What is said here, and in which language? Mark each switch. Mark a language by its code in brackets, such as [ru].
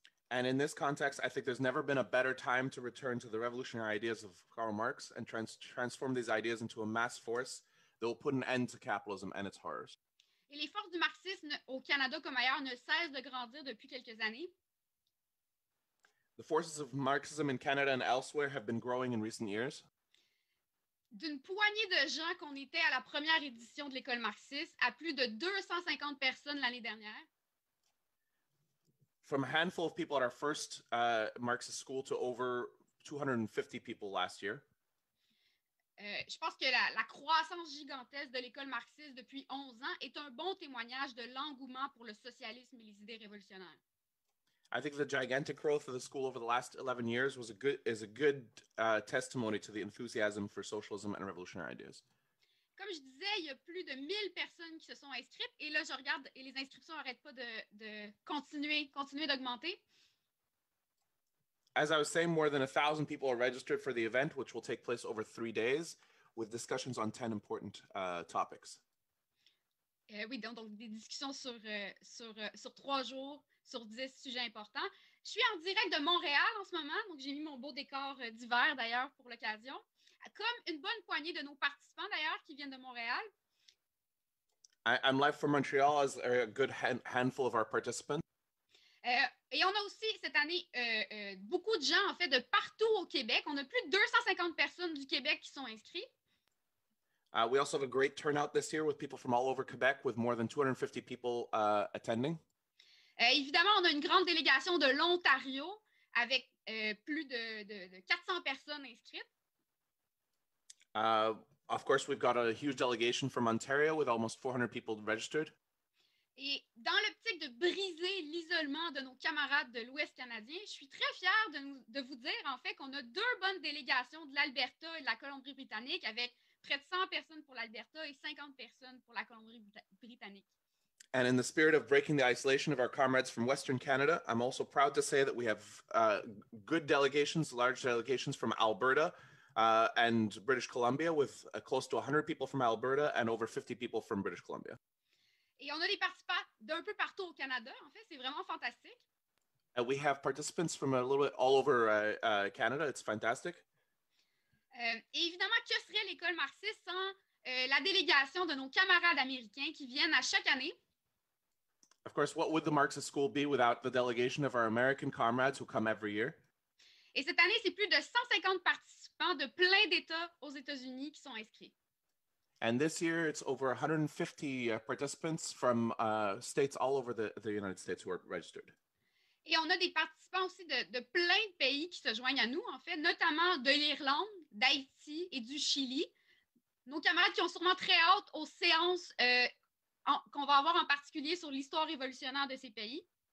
[en] And in this context, I think there's never been a better time to return to the revolutionary ideas of Karl Marx and transform these ideas into a mass force that will put an end to capitalism and its horrors. [fr] Et les forces du marxisme au Canada comme ailleurs ne cessent de grandir depuis quelques années. [en] The forces of Marxism in Canada and elsewhere have been growing in recent years. [fr] D'une poignée de gens qu'on était à la première édition de l'école marxiste à plus de 250 personnes l'année dernière. [en] From a handful of people at our first Marxist school to over 250 people last year. [fr] Je pense que la croissance gigantesque de l'école marxiste depuis 11 ans est un bon témoignage de l'engouement pour le socialisme et les idées révolutionnaires. [en] I think the gigantic growth of the school over the last 11 years was a good testimony to the enthusiasm for socialism and revolutionary ideas. [fr] Comme je disais, il y a plus de 1000 personnes qui se sont inscrites et là je regarde et les inscriptions n'arrêtent pas de continuer d'augmenter. [en] As I was saying, more than 1,000 people are registered for the event, which will take place over 3 days, with discussions on 10 important topics. [fr] Oui, donc des discussions sur 3 jours, sur 10 sujets importants. Je suis en direct de Montréal en ce moment, donc j'ai mis mon beau décor d'hiver d'ailleurs pour l'occasion, comme une bonne poignée de nos participants d'ailleurs qui viennent de Montréal. [en] I'm live from Montreal as a good handful of our participants. [fr] Et on a aussi cette année beaucoup de gens, en fait, de partout au Québec. On a plus de 250 personnes du Québec qui sont inscrites. [en] We also have a great turnout this year with people from all over Québec, with more than 250 people attending. [fr] Évidemment, on a une grande délégation de l'Ontario avec plus de 400 personnes inscrites. [en] Of course, we've got a huge delegation from Ontario with almost 400 people registered. [fr] Et dans l'optique de briser l'isolement de nos camarades de l'Ouest canadien, je suis très fière de vous dire, en fait, qu'on a 2 bonnes délégations de l'Alberta et de la Colombie-Britannique, avec près de 100 personnes pour l'Alberta et 50 personnes pour la Colombie-Britannique. [en] And in the spirit of breaking the isolation of our comrades from Western Canada, I'm also proud to say that we have good delegations, large delegations from Alberta and British Columbia, with close to 100 people from Alberta and over 50 people from British Columbia. [fr] Et on a des participants d'un peu partout au Canada, en fait, c'est vraiment fantastique. [en] And we have participants from a little bit all over Canada, it's fantastic. [fr] Et évidemment, que serait l'école marxiste sans la délégation de nos camarades américains qui viennent à chaque année? [en] Of course, what would the Marxist school be without the delegation of our American comrades who come every year? [fr] Et cette année, c'est plus de 150 participants de plein d'États aux États-Unis qui sont inscrits. [en] And this year, it's over 150 participants from states all over the United States who are registered. [fr] Et on a des participants aussi de plein de pays qui se joignent à nous, en fait, notamment de l'Irlande, d'Haïti et du Chili. Nos camarades qui ont sûrement très hâte aux séances qu'on va avoir en particulier sur l'histoire révolutionnaire de ces pays.